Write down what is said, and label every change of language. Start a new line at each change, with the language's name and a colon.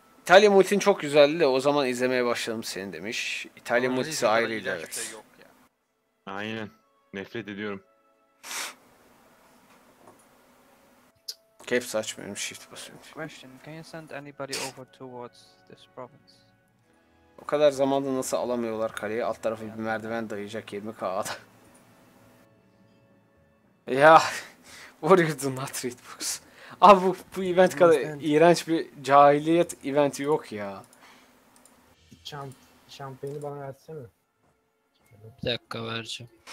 Turkish: İtalya Multin çok güzeldi de o zaman izlemeye başladım seni demiş. İtalya Multisi ayrıydı evet. Aynen. Nefret ediyorum. Caps açmıyorum, shift basıyorum.
English: Question: can you send anybody over towards this province?
Turkish: O kadar zamanda nasıl alamıyorlar kaleyi? Alt tarafı bir merdiven dayayacak 20 kağıda.
English: Ya, warrior do not read books.
Turkish: Abi bu event kadar iğrenç bir cahiliyet eventi yok ya. Şampiyonu bana versene. Bir dakika vereceğim.